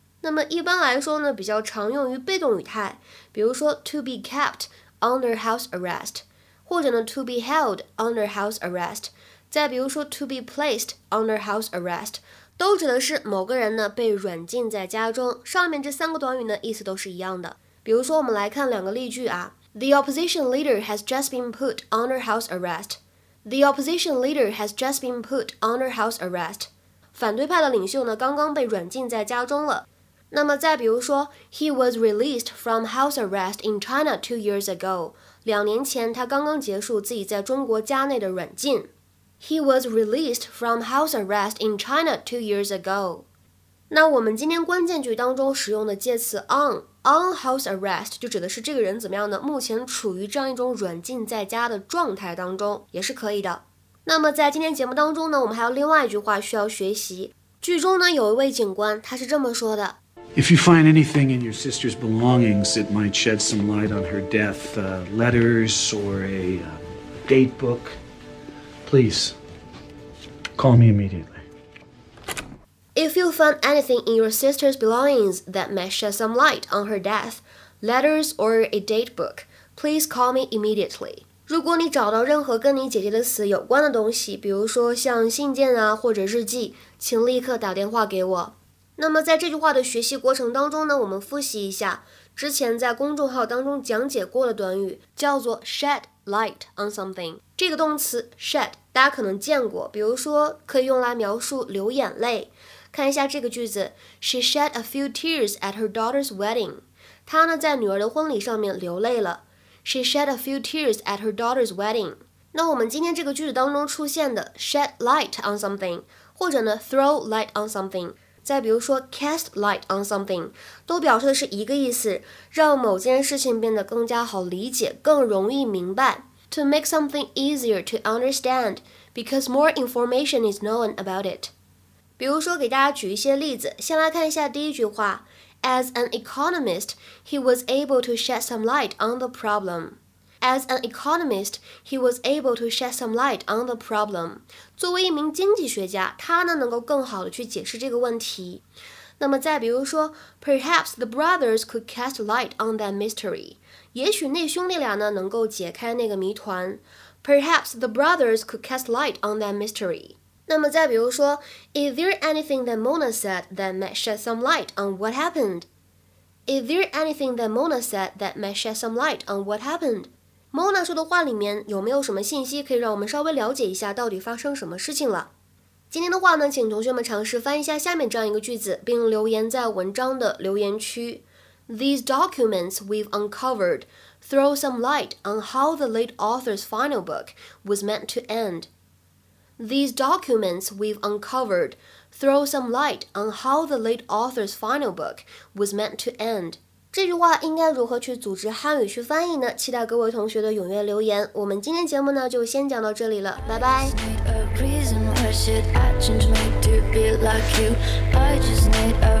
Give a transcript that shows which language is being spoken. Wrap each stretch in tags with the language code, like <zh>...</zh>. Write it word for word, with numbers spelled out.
<zh>那么一般来说呢，比较常用于被动语态，比如说</zh> <en>to be kept under house arrest，</en> <zh>或者呢</zh> <en>to be held under house arrest，</en> <zh>再比如说</zh> <en>to be placed under house arrest，</en> <zh>都指的是某个人呢被软禁在家中。上面这三个短语呢，意思都是一样的。比如说，我们来看两个例句啊</zh> <en>，The opposition leader has just been put under house arrest. The opposition leader has just been put under house arrest.</en> <zh>反对派的领袖呢，刚刚被软禁在家中了。那么再比如说</zh> <en>，He was released from house arrest in China two years ago.</en> <zh>两年前，他刚刚结束自己在中国家内的软禁。</zh> <en>He was released from house arrest in China two years ago.</en> <zh>那我们今天关键句当中使用的介词 on。 On house arrest 就指的是这个人怎么样呢？目前处于这样一种软禁在家的状态当中，也是可以的。那么在今天节目当中呢，我们还有另外一句话需要学习。剧中呢有一位警官，他是这么说的</zh> <en>：If you find anything in your sister's belongings that might shed some light on her death, uh, letters or a uh, date book, please call me immediately. If you find anything in your sister's belongings that may shed some light on her death, letters or a date book, please call me immediately.</en> <zh>如果你找到任何跟你姐姐的死有关的东西，比如说像信件啊或者日记，请立刻打电话给我。那么在这句话的学习过程当中呢，我们复习一下之前在公众号当中讲解过的短语，叫做 shed light on something。这个动词 shed 大家可能见过，比如说可以用来描述流眼泪。看一下这个句子</zh> <en>，She shed a few tears at her daughter's wedding。</en> <zh>她呢在女儿的婚礼上面流泪了。</zh> <en>She shed a few tears at her daughter's wedding。</en> <zh>那我们今天这个句子当中出现的 shed light on something， 或者呢 throw light on something， 再比如说 cast light on something， 都表示的是一个意思，让某件事情变得更加好理解，更容易明白。</zh> <en>To make something easier to understand because more information is known about it。</en> <zh>比如说，给大家举一些例子，先来看一下第一句话。</zh> <en>As an economist, he was able to shed some light on the problem. As an economist, he was able to shed some light on the problem.</en> <zh>作为一名经济学家，他呢能够更好的去解释这个问题。那么再比如说</zh> <en>，Perhaps the brothers could cast light on that mystery.</en> <zh>也许那兄弟俩呢能够解开那个谜团。</zh> <en>Perhaps the brothers could cast light on that mystery.</en> <zh>那么再比如说</zh> <en>，Is there anything that Mona said that might shed some light on what happened? Is there anything that Mona said that might shed some light on what happened?</en> <zh>Mona 说的话里面有没有什么信息可以让我们稍微了解一下到底发生什么事情了？今天的话呢，请同学们尝试翻译一下下面这样一个句子，并留言在文章的留言区。</zh> <en>These documents we've uncovered throw some light on how the late author's final book was meant to end. These documents we've uncovered throw some light on how the late author's final book was meant to end.</en> <zh>这句话应该如何去组织汉语去翻译呢？期待各位同学的踊跃留言。我们今天节目呢就先讲到这里了，拜拜。</zh>